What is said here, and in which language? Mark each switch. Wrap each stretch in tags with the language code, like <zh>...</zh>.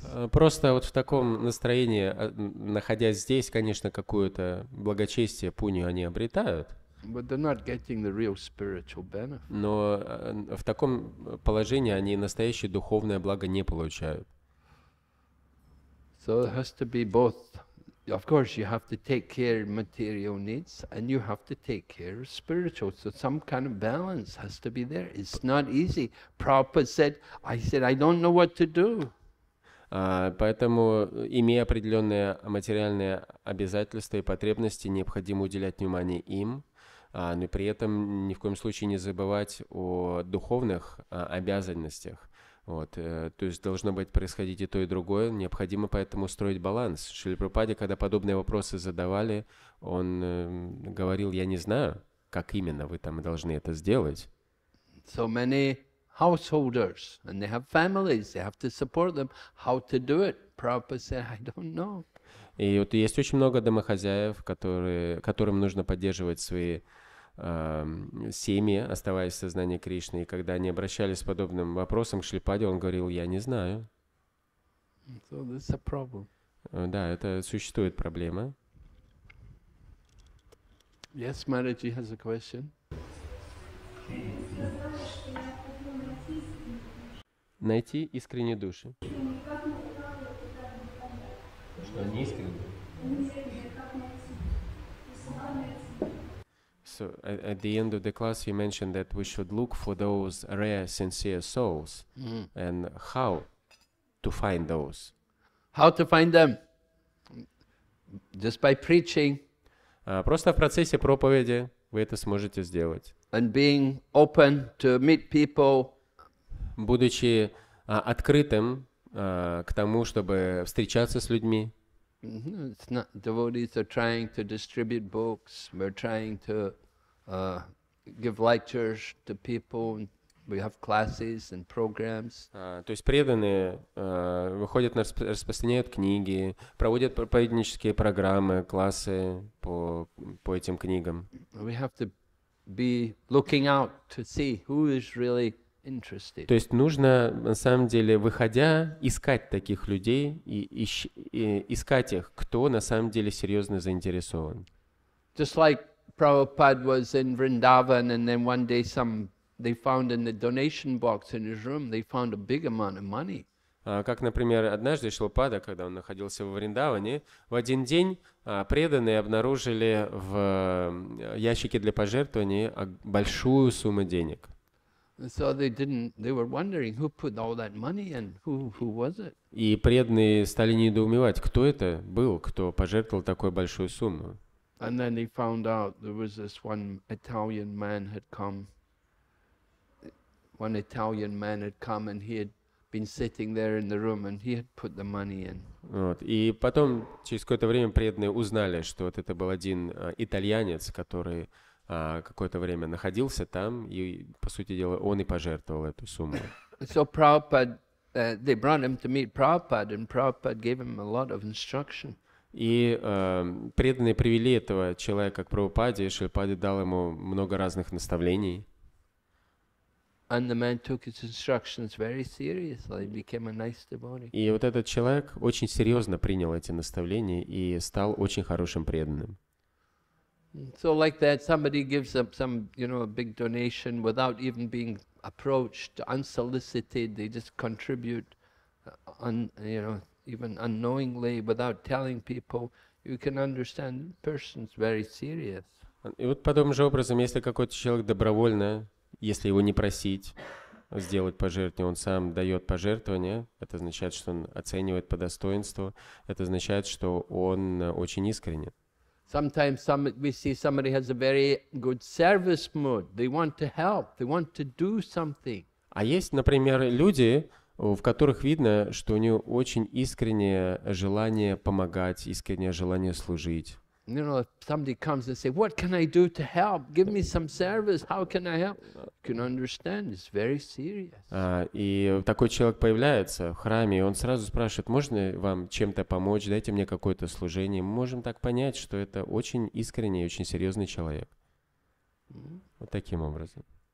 <ru>Просто вот в таком настроении, находясь здесь, конечно, какое-то благочестие, пунью они обретают.</ru> <en>But they're not getting the real spiritual benefit.</en> <ru>Но в таком положении они настоящее духовное благо не получают.</ru> <en>So it has to be both. Of course, you have to take care of material needs, and you have to take care of spiritual. So some kind of balance has to be there. It's not easy. Prabhupada said, "I said I don't know what to do."</en> <ru>Поэтому, имея определенные материальные обязательства и потребности, необходимо уделять внимание им, но при этом ни в коем случае не забывать о духовных обязанностях. Вот, то есть должно быть происходить и то, и другое. Необходимо поэтому строить баланс. Шрила Прабхупаде, когда подобные вопросы задавали, он говорил, я не знаю, как именно вы там должны это сделать.</ru> <en>So many householders, and they have families, they have to support them. How to do it? Prabhupada said, I don't know.</en> <ru>И вот есть очень много домохозяев, которым нужно поддерживать свои семьи, оставаясь в сознании Кришны, и когда они обращались с подобным вопросом к Шрилападе, он говорил, я не знаю.</ru> <en>So this is a problem.</en> <ru>Да, это существует проблема.</ru> <en>Yes, Maharaji has a question.</en> <ru>Найти искренние души. Что они искренние?</ru> <en>So at the end of the class, you mentioned that we should look for those rare, sincere souls. Mm. And how to find those? How to find them? Just by preaching.</en> <ru>Просто в процессе проповеди вы это сможете сделать.</ru> <en>And being open to meet people.</en> <ru>Будучи открытым к тому, чтобы встречаться с людьми.</ru> <en>It's not, devotees are trying to distribute books. We're trying to give lectures to people. We have classes and programs.</en> <ru>То есть преданные выходят, распространяют книги, проводят поведенческие программы, классы по этим книгам.</ru> <en>We have to be looking out to see who is really interested.</en> <ru>То есть нужно, на самом деле, выходя, искать таких людей и искать их, кто на самом деле серьезно заинтересован.</ru> <en>Just like Prabhupada was in Vrindavan, and then one day they found in the donation box in his room, they found a big amount of money.</en> <ru>Как, например, однажды Шрилапада, когда он находился в Вриндаване, в один день преданные обнаружили в ящике для пожертвований большую сумму денег.</ru> <en>So they were wondering who put all that money and who was it.</en> <ru>И преданные стали недоумевать, кто это был, кто пожертвовал такую большую сумму.</ru> <en>And then they found out there was this one Italian man had come. One Italian man had come, and he had been sitting there in the room, and he had put the money in.</en> <ru>Вот. И потом через какое-то время преданные узнали, что вот это был один итальянец, который какое-то время находился там, и по сути дела он и пожертвовал эту сумму.</ru> <en>So Prabhupada, they brought him to meet Prabhupada, and Prabhupada gave him a lot of instruction.</en> <ru>И преданные привели этого человека к Прабхупаде, и Шрилапада дал ему много разных наставлений.</ru> <en>And the man took his instructions very seriously, became a nice devotee.</en> <ru>И вот этот человек очень серьезно принял эти наставления и стал очень хорошим преданным.</ru> <en>So like that, somebody gives up some, you know, a big donation without even being approached, unsolicited. They just contribute, you know. Even unknowingly, without telling people, you can understand the person's very serious.</en> <ru>И вот подобным же образом, если какой-то человек добровольно, если его не просить, сделать пожертвование. Он сам дает пожертвование. Это означает, что он оценивает по достоинству. Это означает, что он очень искренен.</ru> <en>Sometimes we see somebody has a very good service mood. They want to help. They want to do something.</en> <ru>А есть, например, люди, в которых видно, что у него очень искреннее желание помогать, искреннее желание служить.</ru> <en>You know, if somebody comes and say, "What can I do to help? Give me some service. How can I help?" You can understand it's very serious.</en> <ru>И такой человек появляется в храме, и он сразу спрашивает: "Можно вам чем-то помочь? Дайте мне какое-то служение." Мы можем так понять, что это очень искренний и очень серьезный человек. Mm-hmm. Вот таким образом.</ru>